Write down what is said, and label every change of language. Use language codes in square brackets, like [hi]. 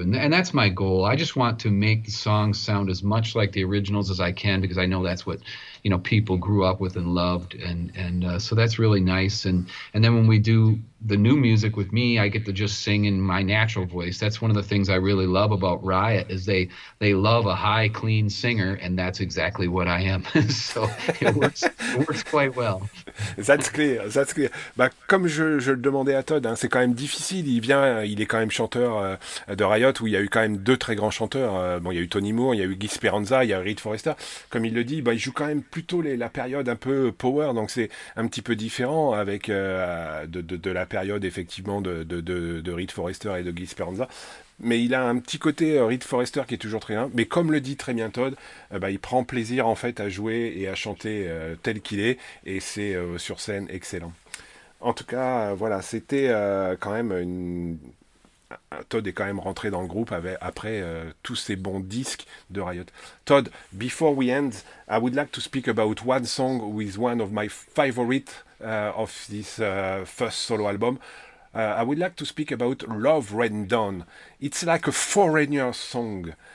[en] And that's my goal. I just want to make the songs sound as much like the originals as I can because I know that's what, people grew up with and loved. So that's really nice. And then when we do the new music with me, I get to just sing in my natural voice. That's one of the things I really love about Riot is they love a high, clean singer, and that's exactly what I am. So it works quite well. That's clear, that's clear. [fr] Bah, comme je le demandais à Todd, hein, c'est quand même difficile. Il est quand même chanteur de Riot, où il y a eu quand même deux très grands chanteurs. Bon, il y a eu Tony Moore, il y a eu Guy Speranza, il y a Reed Forrester. Comme il le dit, bah, il joue quand même plutôt la période un peu power, donc c'est un petit peu différent avec de la période effectivement de Reed Forrester et de Guy Speranza. Mais il a un petit côté Reed Forrester qui est toujours très bien. Mais comme le dit très bien Todd, bah, il prend plaisir en fait à jouer et à chanter tel qu'il est. Et c'est sur scène excellent. En tout cas, voilà, c'était quand même une. Todd est quand même rentré dans le groupe après tous ces bons disques de Riot. [en] Todd, before we end, I would like to speak about one song with one of my favorite of this first solo album. I would like to speak about Love Rain Down. It's like a foreigner song.